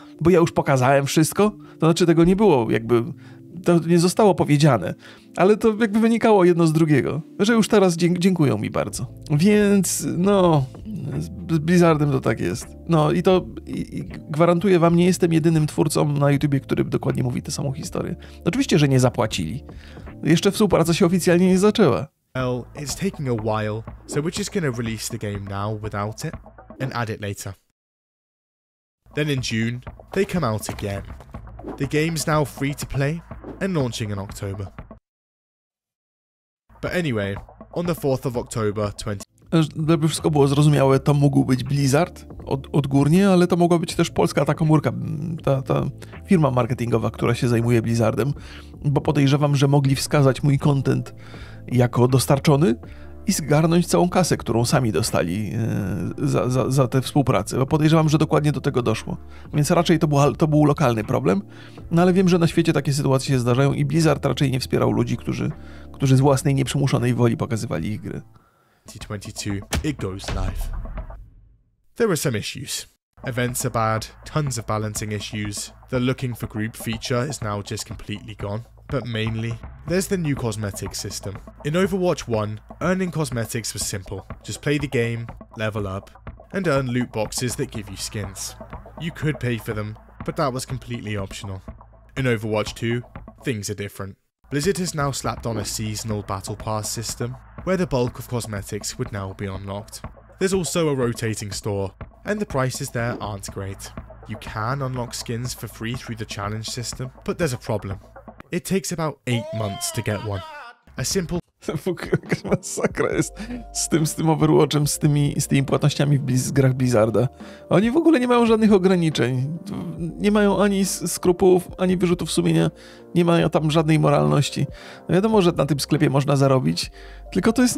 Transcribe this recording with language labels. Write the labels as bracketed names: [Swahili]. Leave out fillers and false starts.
[Polish] Bo ja już pokazałem wszystko, to znaczy tego nie było jakby, to nie zostało powiedziane, ale to jakby wynikało jedno z drugiego, że już teraz dziękują mi bardzo. Więc no, z Blizzardem to tak jest. No i to i gwarantuję wam, nie jestem jedynym twórcą na YouTubie, który dokładnie mówi tę samą historię. Oczywiście, że nie zapłacili. Jeszcze współpraca się oficjalnie nie zaczęła. [English] Well, it's taking a while, so we're just gonna release the game now without it, and add it later. Then in June, they come out again. The game's now free to play, and launching in October. But anyway, on the 4th of October 20... [Polish] Żeby wszystko było zrozumiałe, to mógł być Blizzard odgórnie, ale to mogła być też polska ta komórka, ta firma marketingowa, która się zajmuje Blizzardem. Bo podejrzewam, że mogli wskazać mój content jako dostarczony i zgarnąć całą kasę, którą sami dostali za tę współpracę. Bo podejrzewam, że dokładnie do tego doszło. Więc raczej to był lokalny problem, no ale wiem, że na świecie takie sytuacje się zdarzają i Blizzard raczej nie wspierał ludzi, którzy z własnej nieprzymuszonej woli pokazywali ich gry. [English] 2022, it goes live. There were some issues. Events are bad, tons of balancing issues. The looking for group feature is now just completely gone. But mainly, there's the new cosmetic system. In Overwatch 1, earning cosmetics was simple. Just play the game, level up, and earn loot boxes that give you skins. You could pay for them, but that was completely optional. In Overwatch 2, things are different. Blizzard has now slapped on a seasonal battle pass system, where the bulk of cosmetics would now be unlocked. There's also a rotating store, and the prices there aren't great. You can unlock skins for free through the challenge system, but there's a problem. It takes about 8 months to get one. A simple... [Polish] Masakra jest z tym Overwatchem, z tymi płatnościami z grach Blizzarda. Oni w ogóle nie mają żadnych ograniczeń. Nie mają ani skrupułów, ani wyrzutów sumienia. Nie mają tam żadnej moralności. No wiadomo, że na tym sklepie można zarobić. Tylko to jest...